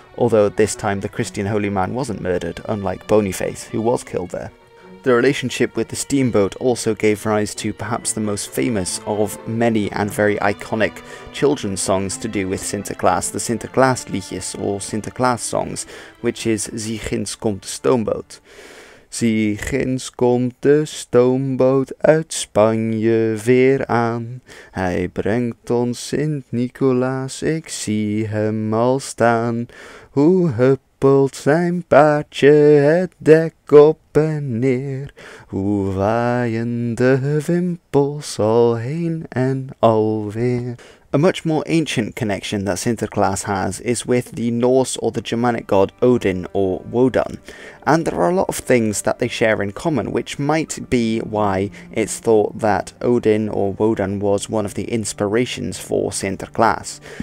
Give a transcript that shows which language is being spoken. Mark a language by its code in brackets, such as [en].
[en] Although this time the Christian holy man wasn't murdered, unlike Boniface, who was killed there. The relationship with the steamboat also gave rise to perhaps the most famous of many and very iconic children's songs to do with Sinterklaas, the Sinterklaasliedjes or Sinterklaas songs, which is [nl] Zie ginds komt de stoomboot. Zie ginds komt de stoomboot uit Spanje weer aan. Hij brengt ons Sint Nicolaas, ik zie hem al staan. Hoe hup. Pult zijn paardje het dek op en neer. Hoe waaien de wimpels al heen en alweer. [en] A much more ancient connection that Sinterklaas has is with the Norse or the Germanic god Odin or Wodan. And there are a lot of things that they share in common, which might be why it's thought that Odin or Wodan was one of the inspirations for Sinterklaas.